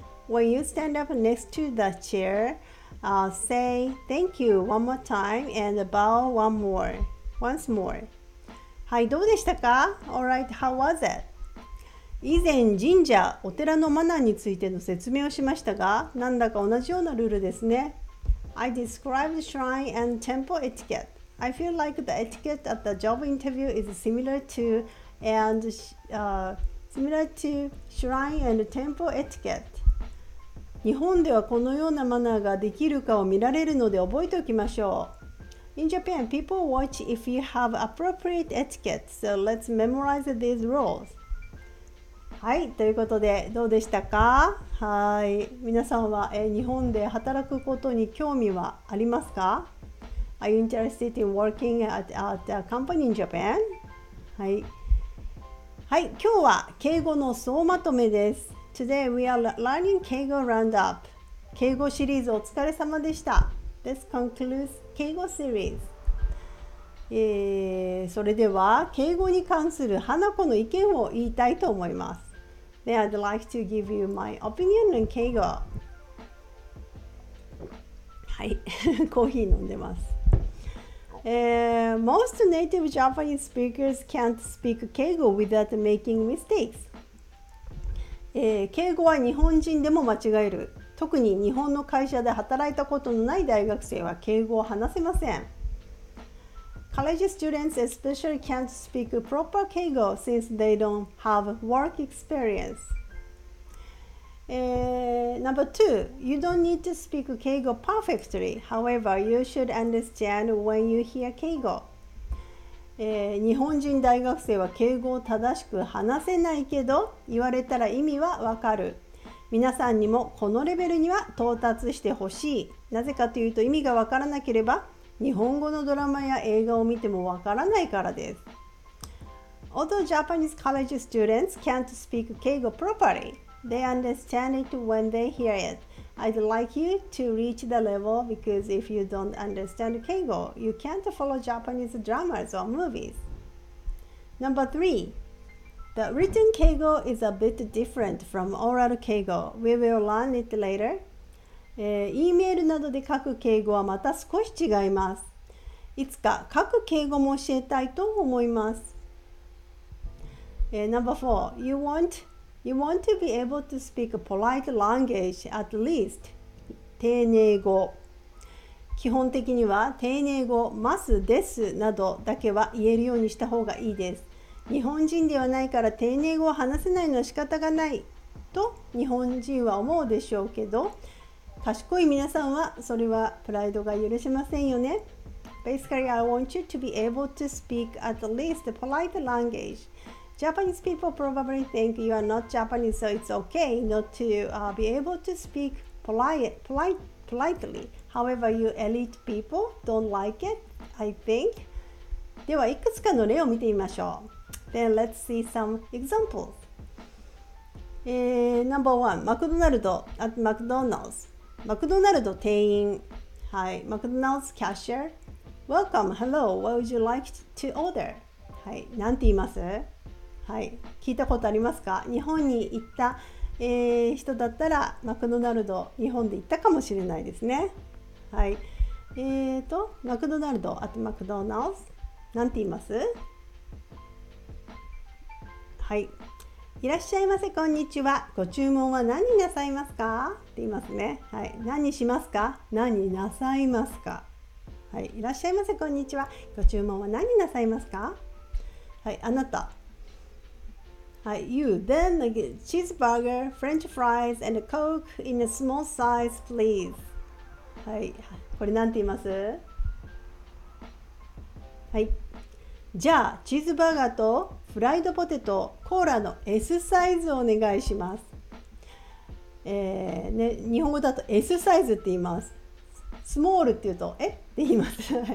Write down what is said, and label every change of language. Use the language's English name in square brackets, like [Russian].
[English] When you stand up next to the chair,say thank you one more time and bow once more. [Japanese] はい、どうでしたか? [English] All right, how was it? [Japanese] 以前神社、お寺のマナーについての説明をしましたが、なんだか同じようなルールですね。 [English] I described shrine and temple etiquette. I feel like the etiquette at the job interview is similar to shrine and temple etiquette. [Japanese] 日本ではこのようなマナーができるかを見られるので覚えておきましょう。 [English] In Japan, people watch if you have appropriate etiquette, so let's memorize these rules. [Japanese] はい、ということでどうでしたか?はい、皆さんは日本で働くことに興味はありますか? [English] Are you interested in working at a company in Japan? [Japanese] はい、はい、今日は敬語の総まとめです。 [English] Today we are learning 敬語 roundup. [Japanese] 敬語シリーズお疲れ様でした。 [English] This concludes 敬語シリーズ。 [Japanese] それでは敬語に関する花子の意見を言いたいと思います。 [English] Then I'd like to give you my opinion on 敬語。 [Japanese] はい、コーヒー飲んでます。 [English] Most native Japanese speakers can't speak 敬語 without making mistakes. [Japanese] 敬語は日本人でも間違える。特に日本の会社で働いたことのない大学生は敬語を話せません。 [English] College students especially can't speak proper 敬語 since they don't have work experience. Number two, you don't need to speak 敬語 perfectly. However, you should understand when you hear 敬語。 [Japanese] 日本人大学生は敬語を正しく話せないけど言われたら意味はわかる。皆さんにもこのレベルには到達してほしい。なぜかというと意味がわからなければ日本語のドラマや映画を見てもわからないからです。 [English] Although Japanese college students can't speak 敬語 properly, they understand it when they hear it. I'd like you to reach the level because if you don't understand 敬語, you can't follow Japanese dramas or movies. Number three, the written 敬語 is a bit different from oral 敬語. We will learn it later. [Japanese] E-mail などで書く敬語はまた少し違います。いつか書く敬語も教えたいと思います。 [English] Number four, you want to be able to speak a polite language at least. 丁寧語。 [Japanese] 基本的には丁寧語、ますですなどだけは言えるようにした方がいいです。日本人ではないから丁寧語を話せないのは仕方がないと日本人は思うでしょうけど、賢い皆さんはそれはプライドが許しませんよね。 [English] Basically, I want you to be able to speak at least a polite language. Japanese people probably think you are not Japanese, so it's okay not to be able to speak politely. However, you elite people don't like it, I think. [Japanese] では、いくつかの例を見てみましょう。 [English] Then let's see some examples. Number one, McDonald's. [Japanese] マクドナルド店員。はい、 [English] McDonald's cashier. Welcome, hello, what would you like to order? [Japanese] はい、なんて言います？はい、聞いたことありますか？日本に行った、人だったらマクドナルド、日本で行ったかもしれないですね。はい、マクドナルド、あとマクドナルド、なんて言います？はい、いらっしゃいませ、こんにちは。ご注文は何なさいますか？って言いますね。はい、何しますか？何なさいますか？はい、いらっしゃいませ、こんにちは。ご注文は何なさいますか？はい、あなた。 [English] はい、You, then a cheeseburger, french fries, and a coke in a small size, please. [Japanese] はい、これなんて言います？はい、じゃあ、チーズバーガーとフライドポテト、コーラの S サイズをお願いします。ね、日本語だと S サイズって言います。スモールって言うと、え？って言います。